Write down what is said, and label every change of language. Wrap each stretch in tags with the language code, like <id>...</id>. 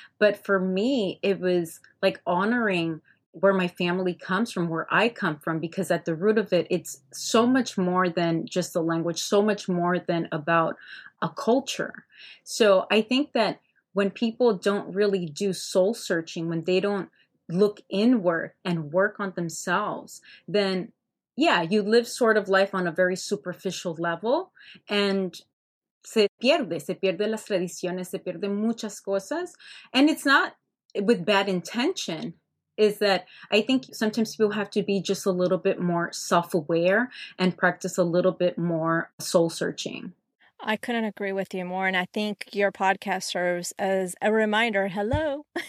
<en>But for me, it was like honoring where my family comes from, where I come from, because at the root of it, it's so much more than just the language, so much more than about a culture. So I think that when people don't really do soul searching, when they don't look inward and work on themselves, then yeah, you live sort of life on a very superficial level. And</en> <es>Se pierde las tradiciones, se pierde muchas cosas.</es> <en>And it's not with bad intention, is that I think sometimes people have to be just a little bit more self-aware and practice a little bit more soul searching. I couldn't agree with you more. And I think your podcast serves as a reminder. Hello.</en>